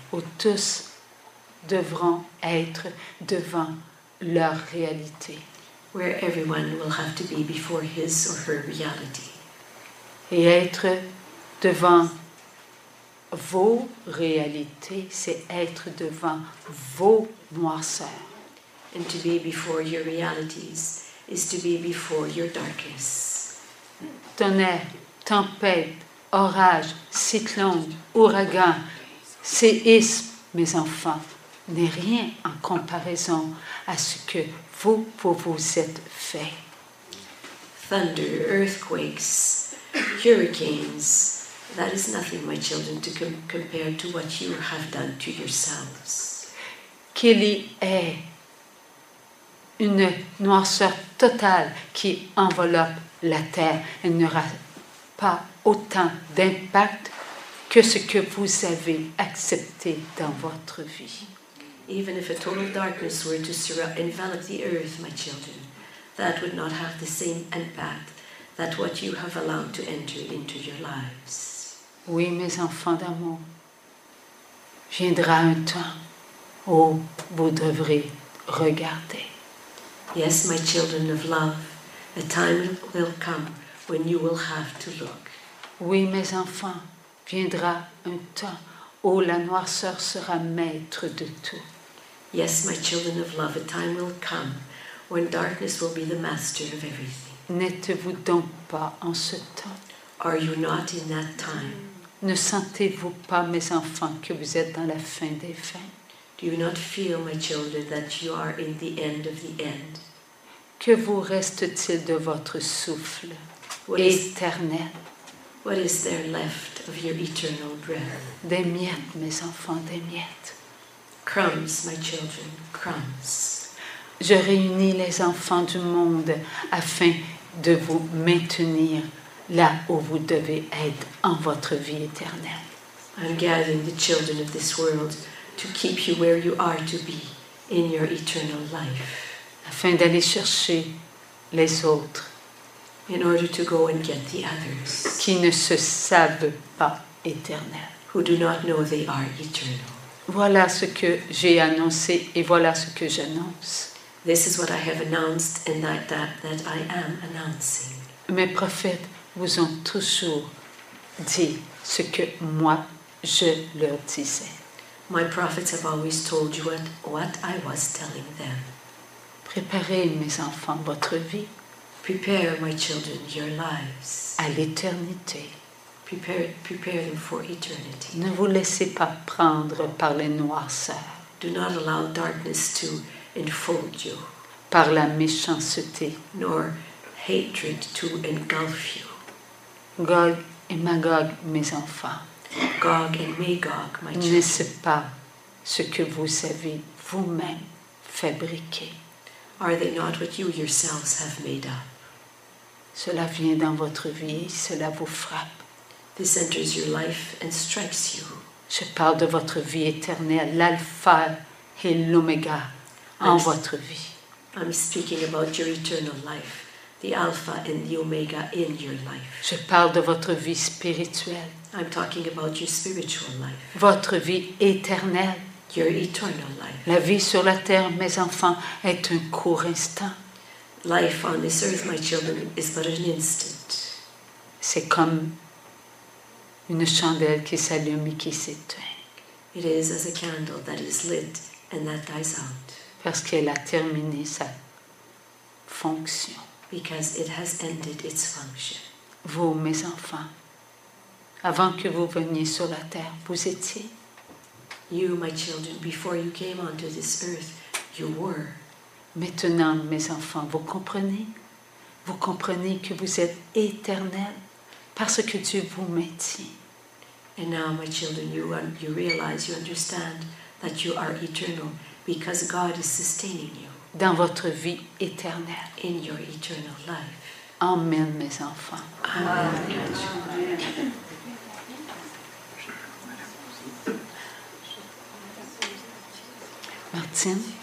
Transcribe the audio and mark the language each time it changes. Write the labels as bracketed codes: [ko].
[fr] Où tous devront être devant leur réalité. [en] Where everyone will have to be before his or her reality. [fr] Et être devant vos réalités, c'est être devant vos noirceurs. [en] And to be before your realities is to be before your darkness. [fr] Tonnerre, tempête, orage, cyclone, ouragan, séisme, mes enfants, n'est rien en comparaison à ce que vous vous êtes fait. [en] Thunder, earthquakes, hurricanes, that is nothing, my children, to compare to what you have done to yourselves. [fr] Qu'il y ait une noirceur totale qui enveloppe la terre, elle n'aura pas autant d'impact que ce que vous avez accepté dans votre vie. [en] Even if a total darkness were to envelop the earth, my children, that would not have the same impact that what you have allowed to enter into your lives. [fr] Oui, mes enfants d'amour, viendra un temps où vous devrez regarder. [en] Yes, my children of love, a time will come when you will have to look. [fr] Oui, mes enfants, viendra un temps où la noirceur sera maître de tout. [en] Yes, my children of love, a time will come when darkness will be the master of everything. [fr] N'êtes-vous donc pas en ce temps? [en] Are you not in that time? [fr] Ne sentez-vous pas, mes enfants, que vous êtes dans la fin des fins? [en] Do you not feel, my children, that you are in the end of the end? [fr] Que vous reste-t-il de votre souffle éternel? [en] What is there left of your eternal breath? [fr] Des miettes, mes enfants, des miettes. [en] Crumbs, my children, crumbs. [fr] Je réunis les enfants du monde afin de vous maintenir là où vous devez être en votre vie éternelle. [en] I'm gathering the children of this world to keep you where you are to be in your eternal life. [fr] Afin d'aller chercher les autres. [en] In order to go and get the others. [fr] Qui ne se savent pas éternels. [en] Who do not know they are eternal. [fr] Voilà ce que j'ai annoncé et voilà ce que j'annonce. [en] This is what I have announced and that I am announcing. [fr] mes prophètes vous ont toujours dit ce que moi je leur disais. [en] My prophets have always told you what I was telling them. [fr] Préparez mes enfants votre vie. [en] Prepare my children your lives. [fr] À l'éternité. [en] Prepare them for eternity. [fr] Ne vous laissez pas prendre par les noirceurs. [en] Do not allow darkness to enfold you. [fr] Par la méchanceté. [en] Nor hatred to engulf you. [fr] Gog et Magog, mes enfants. [en] Gog and Magog, my children. [fr] Ne laissez pas ce que vous avez vous-même fabriqué. [en] Are they not what you yourselves have made up? [fr] Cela vient dans votre vie, cela vous frappe. [en] This enters your life and strikes you. [fr] Je parle de votre vie éternelle, l'alpha et l'oméga en votre vie. [en] I'm speaking about your eternal life, the alpha and the omega in your life. [fr] Je parle de votre vie spirituelle. [en] I'm talking about your spiritual life. [fr] Votre vie éternelle. [en] Your eternal life. [fr] La vie sur la terre, mes enfants, est un court instant. [en] Life on this earth, my children, is but an instant. [fr] C'est comme une chandelle qui s'allume et qui s'éteint. [en] It is as a candle that is lit and that dies out. [fr] Parce qu'elle a terminé sa fonction. [en] Because it has ended its function. [fr] Vous, mes enfants, avant que vous veniez sur la terre, vous étiez. [en] You, my children, before you came onto this earth, you were. [fr] Maintenant, mes enfants, vous comprenez? Vous comprenez que vous êtes éternels parce que Dieu vous maintient. [en] And now, my children, you realize, you understand that you are eternal because God is sustaining you. [fr] Dans votre vie éternelle. [en] In your eternal life. [fr] Amen, mes enfants. [en] Amen. Amen. Martine.